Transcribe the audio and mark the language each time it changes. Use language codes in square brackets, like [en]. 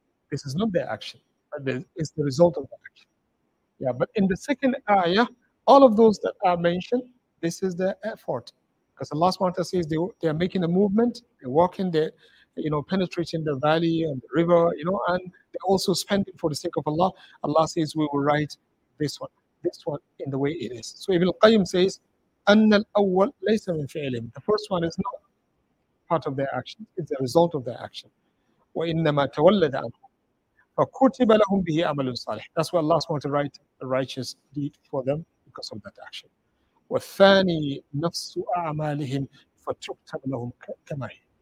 [en] This is not their action, but it's the result of the action. Yeah, but in the second ayah, all of those that are mentioned, this is their effort. Because Allah SWT says they are making a movement, they're walking there, you know, penetrating the valley and the river, you know, and they also spend it for the sake of Allah. Allah says, we will write this one in the way it is. So Ibn Qayyim says, [ar] أَنَّ الْأَوَّلْ لَيْسَ مِنْ فِعْلِمْ. [en] The first one is not part of their action. It's the result of their action. [ar] وَإِنَّمَا تَوَلَّدَ عَنْهُمْ فَكُتِبَ لَهُمْ بِهِ عَمَلٌ صَالِحٌ. [en] That's why Allah wants to write a righteous deed for them because of that action. [ar] وَالثَّانِي نَفْسُ أَعْمَالِهِمْ فَتُكْتَبَ لَهُمْ كَمَا هِيَ.